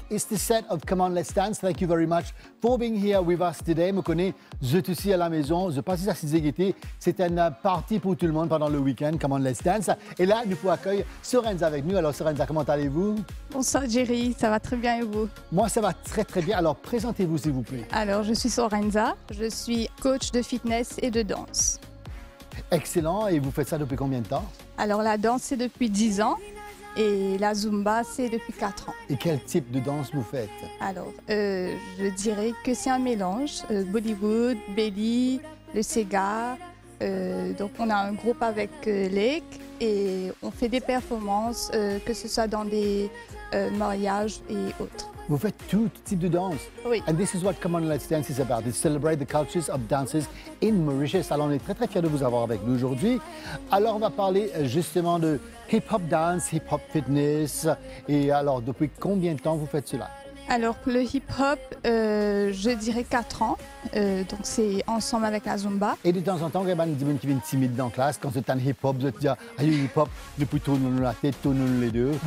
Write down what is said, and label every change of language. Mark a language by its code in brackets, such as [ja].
[en] It's the set of Come On, Let's Dance. Thank you very much for being here with us today. [fr] Me connais, je suis ici à la maison. Je passe ça si j'ai C'est une partie pour tout le monde pendant le week-end. Come On, Let's Dance. Et là, nous pouvons accueillir Sorenza avec nous. Alors, Sorenza, comment allez-vous? Bonsoir, Jerry. Ça va très bien et vous? Moi, ça va très, très bien. Alors, présentez-vous, s'il vous plaît. Alors, je suis Sorenza. Je suis coach de fitness et de danse. Excellent. Et vous faites ça depuis combien de temps? Alors, la danse, c'est depuis 10 ans. Et la Zumba, c'est depuis 4 ans. Et quel type de danse vous faites? Alors, je dirais que c'est un mélange. Bollywood, Belly, le Sega. Donc, on a un groupe avec Lake et on fait des performances, que ce soit dans des mariages et autres. Vous faites tout type de danse? Oui. [en] And this is what Come On Let's Dance is about. It's celebrate the cultures of dances in Mauritius. [fr] Alors, on est très, très fiers de vous avoir avec nous aujourd'hui. Alors, on va parler justement de hip-hop dance, hip-hop fitness. Et alors, depuis combien de temps vous faites cela? Alors, le hip-hop, je dirais 4 ans. Donc, c'est ensemble avec la Zumba. Et de temps en temps, il y a des gens qui viennent timides dans la classe. Quand c'est un hip-hop, vous dites, ah, il y a hip-hop, depuis tournons-nous la tête, tournons-nous les deux.